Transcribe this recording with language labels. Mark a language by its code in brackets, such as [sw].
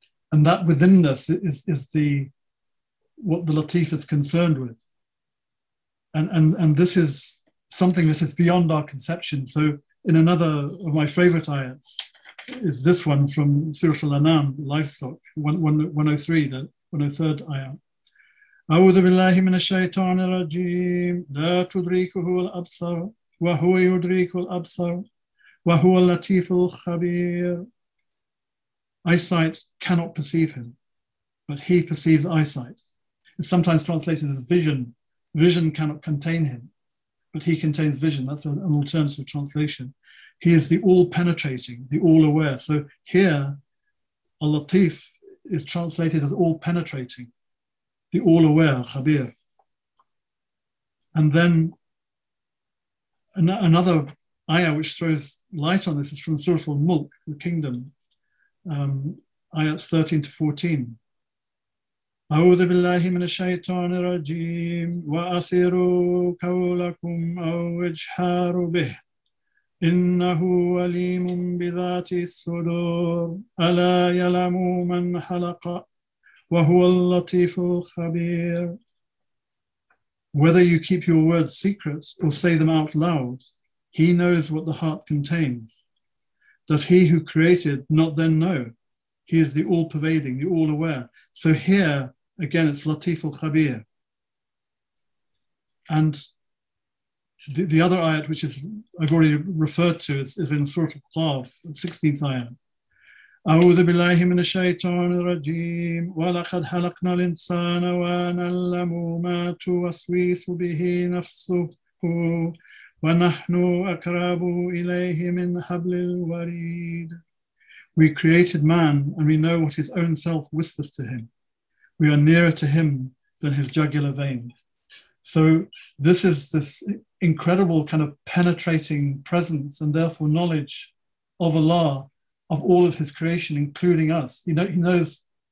[en] And that withinness is the what the Latif is concerned with. And this is something that is beyond our conception. So in another of my favorite ayats is this one from Surah Al-An'am, Livestock, 103, the 103rd ayah. [ar] أعوذ بالله من الشيطان الرجيم لا تدركه الأبصار وهو يدرك الأبصار وهو اللطيف الخبير. [en] Eyesight cannot perceive him, but he perceives eyesight. It's sometimes translated as vision. Vision cannot contain him, but he contains vision. That's an alternative translation. He is the all-penetrating, the all-aware. So here, al-latif is translated as all-penetrating. The all-aware, Khabir. And then another ayah which throws light on this is from Surah Al-Mulk, the kingdom, ayahs 13 to 14. [ar] أعوذ بالله من الشيطان الرجيم وأسروا قولكم أو اجهروا به إنه عليم بذات الصدور ألا يعلم من خلق وَهُوَ اللَّطِيفُ الْخَبِيرُ. [en] Whether you keep your words secret or say them out loud, he knows what the heart contains. Does he who created not then know? He is the all-pervading, the all-aware. So here, again, it's Latif al-Khabir. And the other ayat, which is I've already referred to, is in Surah Al-Qaf, the 16th ayat. [ar] أعوذ بالله من الشيطان الرجيم ولقد خلقنا الإنسان ونعلم ما توسوس به نفسه ونحن أقرب إليه من حبل الوريد. [en] We created man and we know what his own self whispers to him. We are nearer to him than his jugular vein. So this is this incredible kind of penetrating presence and therefore knowledge of Allah, of all of his creation, including us. He knows